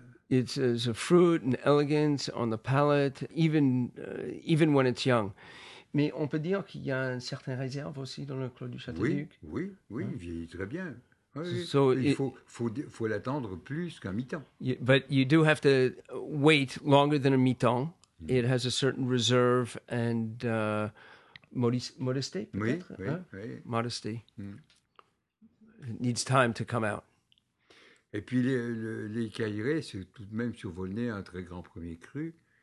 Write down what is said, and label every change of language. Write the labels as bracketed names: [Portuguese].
[English] It's a fruit and elegance on the palate, even when it's young. [French] Mais on peut dire qu'il y a une certaine réserve aussi dans le Clos du Château-Duc. Oui, il vieillit très bien. Oui. So il faut l'attendre plus qu'un mi-temps. [English] But you do have to wait longer than a mi-temps. Mm. It has a certain reserve and modesty, [French] peut-être? Oui, [English] Modesty. Mm. It needs time to come out. [French] Et puis les Cailleret, c'est tout de même sur Volnay un très grand premier cru.